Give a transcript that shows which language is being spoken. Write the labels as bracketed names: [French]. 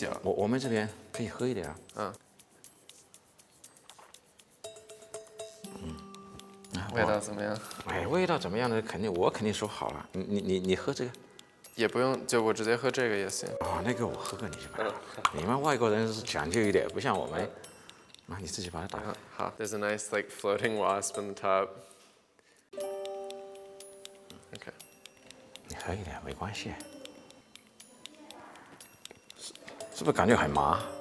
[Chinese] 那个昆虫，我们吃的昆虫为资源，为基础呢。这个都是虎蜂。对，这个是世界上最大的虎蜂，金黄虎头蜂。这个呢叫口服液，可以打开。嗯，打开。哎，对。哎，你看，它是它里面是白酒吗？还是？白酒、米酒。米酒。我们这边可以喝一点啊。嗯。味道怎么样？哎，味道怎么样的？肯定我肯定说好了。你喝这个，也不用，就我直接喝这个也行。哦，那个我喝过你就吧。你们外国人是讲究一点，不像我们。啊，你自己把它打开。好， [English] there's a nice like floating wasp on the top. Okay. [Chinese] 你喝一点没关系。是不是感觉很麻？